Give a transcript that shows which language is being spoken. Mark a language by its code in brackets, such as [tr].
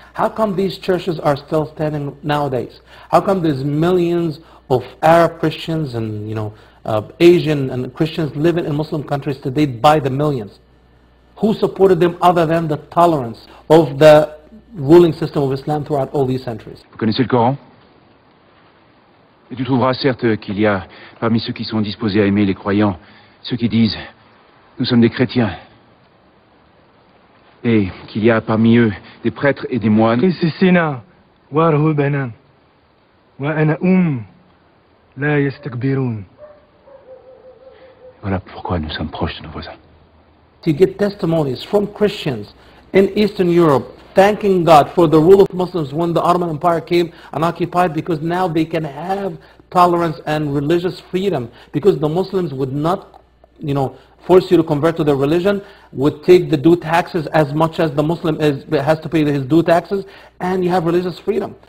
[en] How come these churches are still standing nowadays? How come there's millions of Arab Christians and, you know, Asian and Christians living in Muslim countries today by the millions? Who supported them other than the tolerance of the ruling system of Islam throughout all these centuries? [fr] Vous connaissez le Coran? Et tu trouveras certes qu'il y a parmi ceux qui sont disposés à aimer les croyants ceux qui disent nous sommes des chrétiens, et qu'il y a parmi eux des prêtres et des moines. Voilà pourquoi nous sommes proches de nos voisins. [en] To get testimonies from Christians in Eastern Europe thanking God for the rule of Muslims when the Ottoman Empire came and occupied, because now they can have tolerance and religious freedom, because the Muslims would not, you know, force you to convert to their religion, would take the due taxes as much as the Muslim is, has to pay his due taxes, and you have religious freedom.